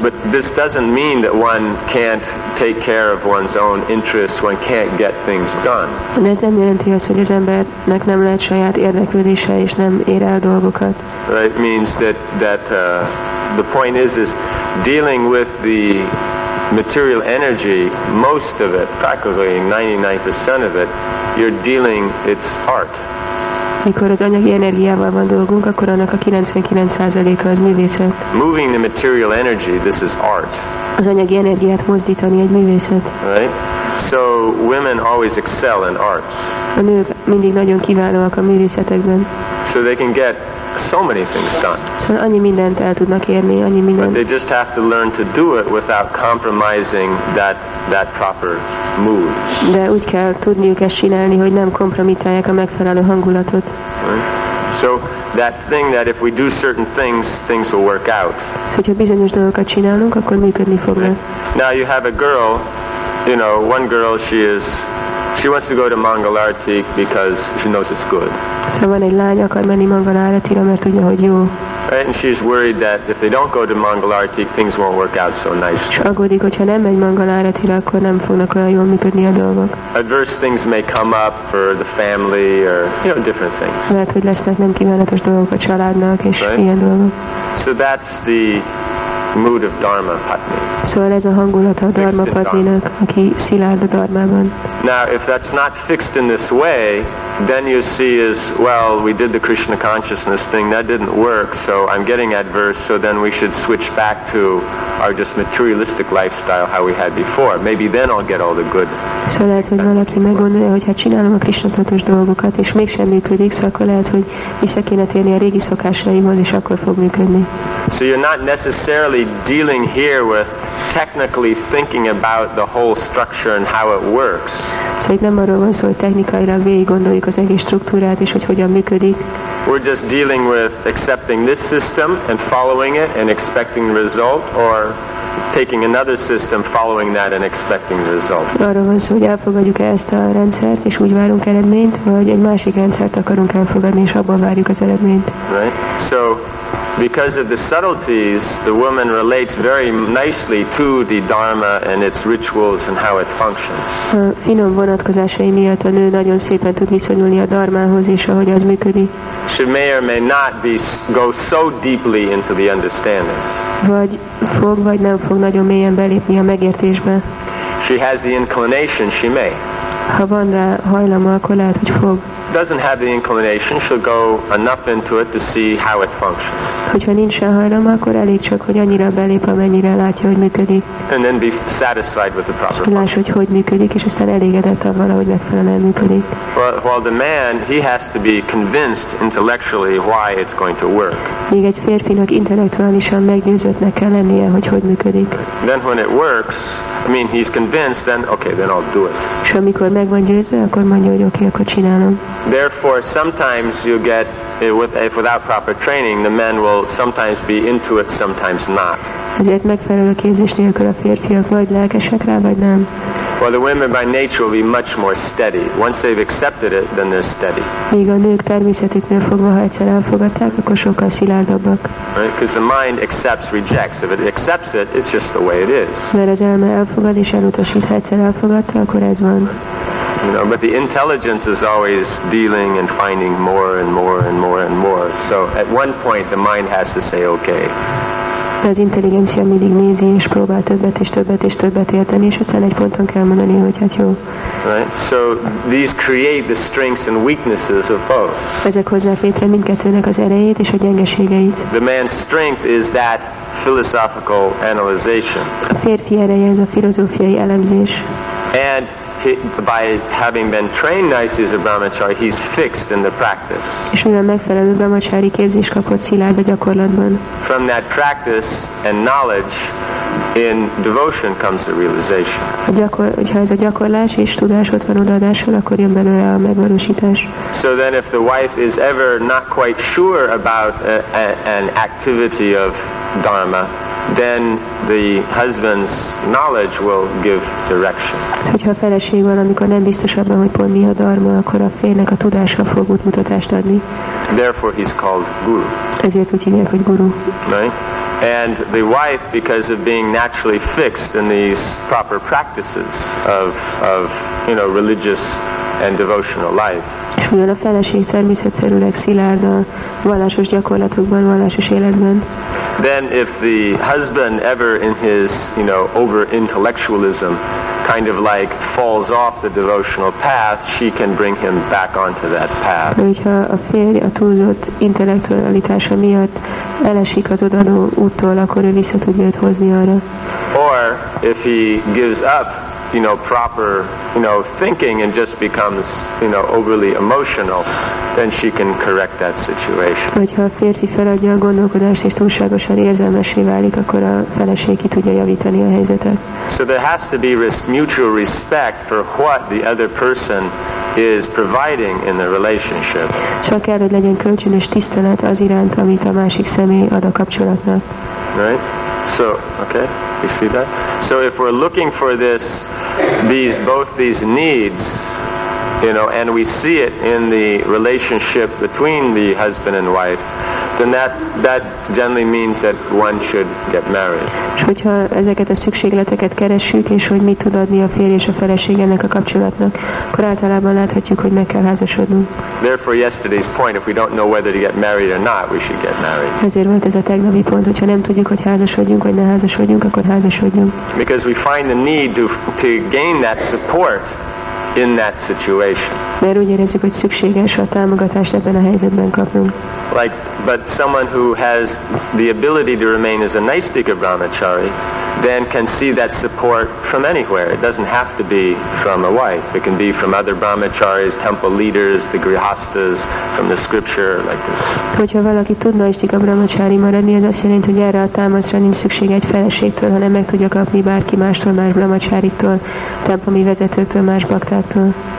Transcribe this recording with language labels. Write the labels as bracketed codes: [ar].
[en] But this doesn't mean that one can't take care of one's own interests, one can't get things done. [hu] De ez nem jelenti azt, hogy az embernek nem lehet saját érdeklődése, és nem ér el dolgokat. [en] Right, means that the point is dealing with the material energy, most of it, practically 99% of it, you're dealing its heart. [hu] Mikor az anyagi energiával van dolgunk, akkor annak a 99%-a az művészet. [en] Moving the material energy, this is art. [hu] Az anyagi energiát mozdítani egy művészet. [en] Right? So women always excel in arts. [hu] A nők mindig nagyon kiválóak a művészetekben. [en] So they can get so many things done. [hu] Szóval annyi mindent el tudnak érni, annyi mindent. [en] But they just have to learn to do it without compromising that proper mood. [hu] De úgy kell tudniuk ezt csinálni, hogy nem kompromitálják a megfelelő hangulatot. [en] Right? So that thing that if we do certain things, things will work out. [hu] Hogyha bizonyos dolgokat csinálunk, akkor működni fognak. [en] Right? Now you have a girl, you know, one girl, she wants to go to Mangalarti because she knows it's good. [hu] Szóval egy lány akar menni Mangalartira, mert tudja, hogy jó. [en] Right, and she's worried that if they don't go to Mangalarti, things won't work out so nicely. [hu] És aggódik, hogyha nem megy Mangalartira, akkor nem fognak olyan jól működni a dolgok. [en] Adverse things may come up for the family or, you know, different things. [hu] Lehet, hogy lesznek nem kívánatos dolgok a családnak, és right? Ilyen dolgok. [en] So that's the mood of Dharma Patni. [hu] Szóval ez a hangulat a Dharma Patninak, aki szilárd a Dharmában. [en] Now, if that's not fixed in this way, then you see is, well, we did the Krishna consciousness thing, that didn't work, so I'm getting adverse, so then we should switch back to our just materialistic lifestyle, how we had before. Maybe then I'll get all the good. [hu] Szóval lehet, hogy valaki meggondolja, hogy hát csinálom a Krishna tudatos dolgokat, és mégsem működik, szóval akkor lehet, hogy vissza kéne térni a régi szokásaimhoz, és akkor fog működni. [en] So you're not necessarily dealing here with technically thinking about the whole structure and how it works. [hu] Szóval itt nem arról van szó, hogy technikailag végig gondoljuk az egész struktúrát, és hogy hogyan működik. [en] We're just dealing with accepting this system and following it and expecting the result, or taking another system, following that and expecting the result. [hu] Arról van szó, hogy elfogadjuk ezt a rendszert, és úgy várunk eredményt, vagy egy másik rendszert akarunk elfogadni, és abban várjuk az eredményt. [en] Right? So because of the subtleties, the woman relates very nicely to the Dharma and its rituals and how it functions. [hu] A finom vonatkozásai miatt a nő nagyon szépen tud viszonyulni a Dharmához, és ahogy az működik. [en] She may or may not go so deeply into the understandings. [hu] Vagy fog, vagy nem fog nagyon mélyen belépni a megértésbe. [en] She has the inclination, she may. [hu] Ha van rá hajlama, akkor lehet, hogy fog. [en] doesn't have the inclination, she'll go enough into it to see how it functions. [hu] Hogyha nincs a hajlama, akkor elég csak, hogy annyira belép, amennyire látja, hogy működik. [en] And then be satisfied with the process. [hu] Láss, hogy működik, és aztán elégedett abban, ahogy megfelelően működik. [en] While the man, he has to be convinced intellectually why it's going to work. [hu] Még egy férfinak intellektuálisan meggyőződnek kell lennie, hogy működik. [en] Then when it works, I mean, he's convinced, then okay, then I'll do it. [hu] És amikor meg van győzve, akkor mondja, hogy oké, akkor csinálom. [en] Therefore, sometimes you get, if without proper training, the men will sometimes be into it, sometimes not. [hu] Ezért megfelelő képzés nélkül a férfiak vagy lelkesek rá, vagy nem. [en] Well, the women by nature will be much more steady. Once they've accepted it, then they're steady. [hu] Míg a nők természetüknél fogva, ha egyszer elfogadták, akkor sokkal szilárdabbak. [en] Right? Because the mind accepts, rejects. If it accepts it, it's just the way it is. [hu] Mert az elme elfogad és elutasít, ha egyszer elfogadta, akkor ez van. [en] You know, but the intelligence is always dealing and finding more and more and more and more. So at one point the mind has to say okay. [hu] Az intelligencia mindig nézi és próbál többet és többet és többet érteni, és aztán egy ponton kell mondani, hogy hát jó. [en] Right? So these create the strengths and weaknesses of both. [hu] Ezek hozzák létre mindkettőnek az erejét és a gyengeségeit. [en] The man's strength is that philosophical analyzation. [hu] A férfi ereje ez a filozófiai elemzés. [en] And by having been trained nicely as a brahmachari, he's fixed in the practice. [hu] És mivel megfelelő brahmachari képzést kapott, szilárd a gyakorlatban. [en] From that practice and knowledge, in devotion comes the realization. [hu] Hogyha ez a gyakorlás és tudás ott van odaadásul, akkor jön belőle a megvalósítás. [en] So then if the wife is ever not quite sure about an activity of dharma, then the husband's knowledge will give direction. [hu] Hogyha a feleség van, amikor nem biztos abban, hogy pont mi a dharma, akkor a férjnek a tudása fog útmutatást adni. [en] Therefore he's called guru. [hu] Ezért úgy hívják, hogy guru. [en] Right? And the wife, because of being naturally fixed in these proper practices of you know, religious and devotional life. [hu] És mivel a feleség természetszerűleg szilárd a vallásos gyakorlatokban, vallásos életben. [en] Then if the husband ever in his, you know, over-intellectualism kind of like falls off the devotional path, she can bring him back onto that path. [hu] Hogyha a férj a túlzott intellektualitása miatt elesik az odaadó úttól, akkor ő vissza tudja őt hozni arra. [en] Or if he gives up, you know, proper, you know, thinking and just becomes, you know, overly emotional, then she can correct that situation. [hu] Hogyha a férfi feladja a gondolkodást és túlságosan érzelmessé válik, akkor a feleség ki tudja javítani a helyzetet. [en] So there has to be mutual respect for what the other person is providing in the relationship. [hu] Csak kell, hogy legyen kölcsönös tisztelet az iránt, amit a másik személy ad a kapcsolatnak. [en] Right? So, okay, you see that? So if we're looking for this, these both these needs, you know, and we see it in the relationship between the husband and wife, then that generally means that one should get married. [hu] És hogyha ezeket a szükségleteket keressük, és hogy mit tud adni a férj és a feleség ennek a kapcsolatnak, akkor általában láthatjuk, hogy meg kell házasodnunk. [en] Therefore yesterday's point, if we don't know whether to get married or not, we should get married. [hu] Ezért volt ez a tegnapi pont, hogyha nem tudjuk, hogy házasodjunk vagy ne házasodjunk, akkor házasodjunk. [en] Because we find the need to gain that support in that situation. [hu] Mert úgy érezzük, hogy szükséges a támogatást ebben a helyzetben kapnunk. [en] Like, but someone who has the ability to remain as a naisthika brahmachari, then can see that support from anywhere. It doesn't have to be from a wife. It can be from other brahmacharis, temple leaders, the grihasthas, from the scripture, like this. [hu] Hogyha valaki tud naisthika brahmachari maradni, az azt jelenti, hogy erre a támaszra nincs szükség egy feleségtől, hanem meg tudja kapni bárki mástól, más brahmacharitól, templomi vezetőktől, más baktáktól.